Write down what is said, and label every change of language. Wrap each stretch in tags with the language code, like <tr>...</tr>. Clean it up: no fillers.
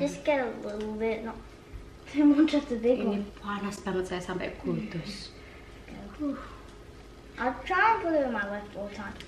<en>Just get a little bit, not too much of the big</en> <id>ini Ini panas banget, saya sampai kudus.</id> <en>I'll try and put it on my left all the time.</en>